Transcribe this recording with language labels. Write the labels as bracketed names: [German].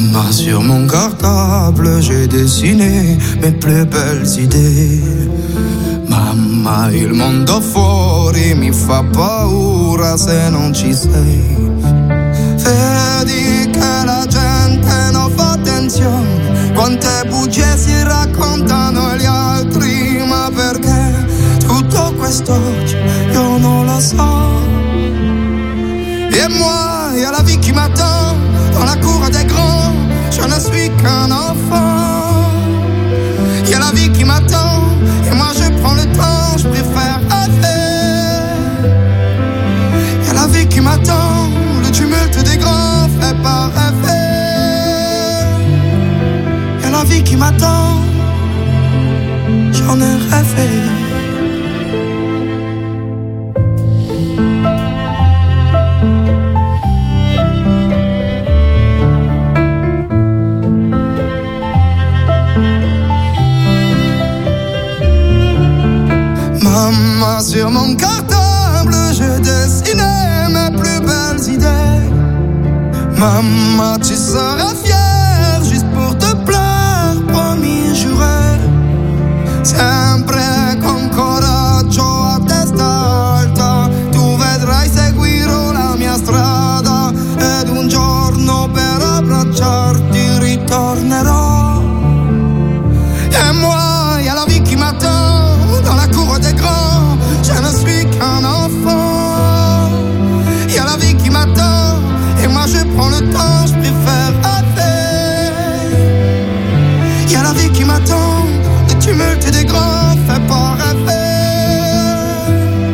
[French] Sur mon cartable, j'ai dessiné mes plus belles idées. [Italian] Mamma, il mondo fuori mi fa paura se non ci sei. Vedi che la gente non fa attenzione, quante bugie si raccontano gli altri. Ma perché tutto quest'oggi io non lo so. [French] E moi, e la vie qui m'attend dans la cour des grands. Je ne suis qu'un enfant. Y'a la vie qui m'attend. Et moi je prends le temps, je préfère rêver. Y'a la vie qui m'attend. Le tumulte des grands fait pas rêver. Y'a la vie qui m'attend. J'en ai rêvé. Sur mon cartable, je dessinais mes plus belles idées. Maman, tu seras fière juste pour te plaire, promis juré. [Italian] Sempre con coraggio a testa alta, tu vedrai seguirò la mia strada. Ed un giorno per abbracciarti ritornerò. [French] Et moi, y'a la vie qui m'attend dans la cour des grands. Je ne suis qu'un enfant. Y'a la vie qui m'attend. Et moi je prends le temps, je préfère rêver. Y'a la vie qui m'attend. Le tumulte des grands fait pas rêver.